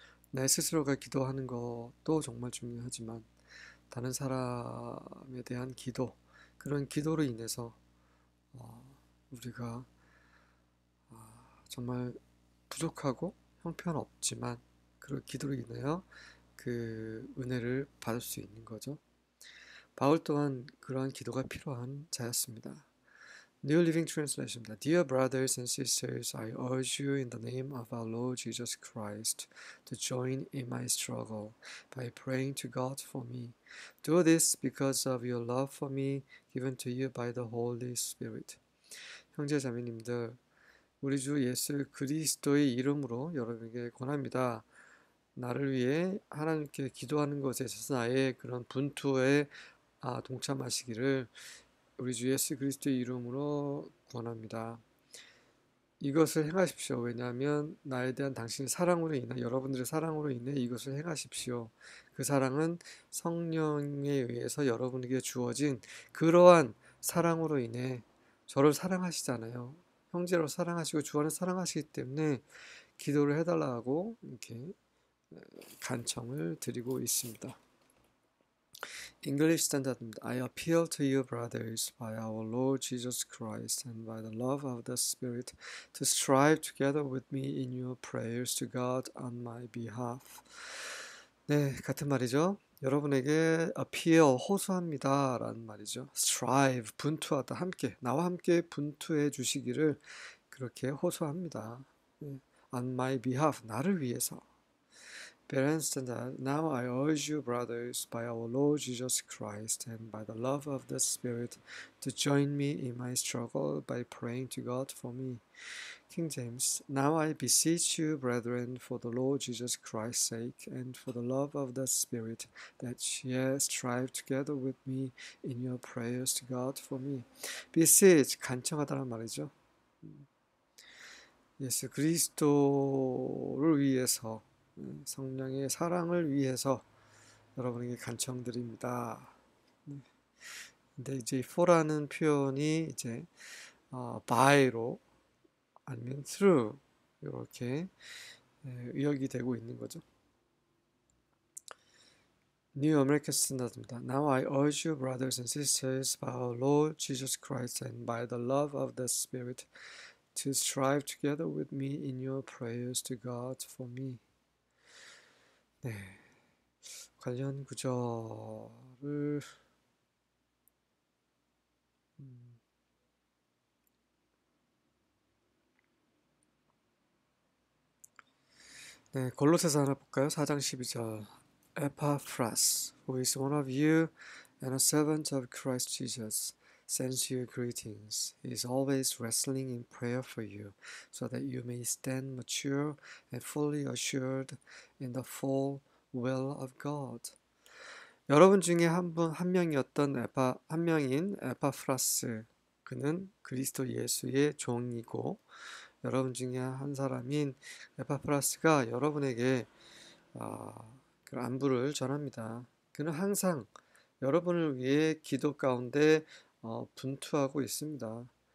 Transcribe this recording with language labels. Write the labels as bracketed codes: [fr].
[ko] 내 스스로가 기도하는 것도 정말 중요하지만 다른 사람에 대한 기도, 그런 기도로 인해서 우리가 정말 부족하고 형편없지만 그런 기도로 인하여 그 은혜를 받을 수 있는 거죠. 바울 또한 그러한 기도가 필요한 자였습니다. New Living Translation입니다. [en] Dear brothers and sisters, I urge you in the name of our Lord Jesus Christ to join in my struggle by praying to God for me. Do this because of your love for me given to you by the Holy Spirit. [ko] 형제 자매님들, 우리 주 예수 그리스도의 이름으로 여러분에게 권합니다. 나를 위해 하나님께 기도하는 것에 있어서 나의 그런 분투에 동참하시기를 우리 주 예수 그리스도의 이름으로 권합니다. 이것을 행하십시오. 왜냐하면 나에 대한 당신의 사랑으로 인해, 여러분들의 사랑으로 인해 이것을 행하십시오. 그 사랑은 성령에 의해서 여러분에게 주어진 그러한 사랑으로 인해 저를 사랑하시잖아요. 형제로 사랑하시고 주 안에 사랑하시기 때문에 기도를 해달라고 이렇게 간청을 드리고 있습니다. English Standard입니다. [en] I appeal to you, brothers, by our Lord Jesus Christ and by the love of the Spirit, to strive together with me in your prayers to God on my behalf. [ko] 네, 같은 말이죠. 여러분에게 appeal, 호소합니다. 라는 말이죠. strive, 분투하다. 함께, 나와 함께 분투해 주시기를 그렇게 호소합니다. [en] On my behalf, [ko] 나를 위해서. [en] Parents, now I urge you, brothers, by our Lord Jesus Christ and by the love of the Spirit, to join me in my struggle by praying to God for me. King James, now I beseech you, brethren, for the Lord Jesus Christ's sake and for the love of the Spirit, that ye strive together with me in your prayers to God for me. [ko] Beseech, 간청하다란 말이죠. 예수 그리스도를 위해서 성령의 사랑을 위해서 여러분에게 간청드립니다. 근데 이제 for라는 표현이 이제 by로 아니면 through 이렇게 의역이 되고 있는 거죠. New American Standard입니다. [en] Now I urge you, brothers and sisters, by our Lord Jesus Christ and by the love of the Spirit, to strive together with me in your prayers to God for me. [ko] 네, 관련 구절을 네, 골로새서 하나 볼까요? 4장 12절. [en] Epaphras, who is one of you and a servant of Christ Jesus, sends you greetings. He is always wrestling in prayer for you, so that you may stand mature and fully assured in the full will of God. [ko] 여러분 중에 한 명인 에파프라스. 그는 그리스도 예수의 종이고, 여러분 중에 한 사람인 에파프라스가 여러분에게 그 안부를 전합니다. 그는 항상 여러분을 위해 기도 가운데 분투하고 있습니다.